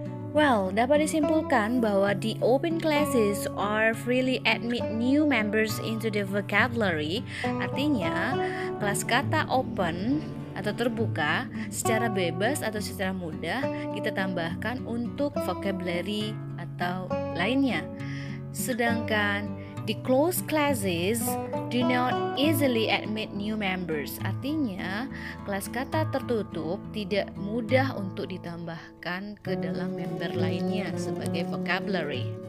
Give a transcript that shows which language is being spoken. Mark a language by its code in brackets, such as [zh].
[en] Well, [id] dapat disimpulkan bahwa [en] the open classes are freely admit new members into the vocabulary. [id] Artinya, kelas kata open atau terbuka secara bebas atau secara mudah kita tambahkan untuk vocabulary atau lainnya. Sedangkan [en] the closed classes do not easily admit new members. [id] Artinya, kelas kata tertutup tidak mudah untuk ditambahkan ke dalam member lainnya sebagai vocabulary.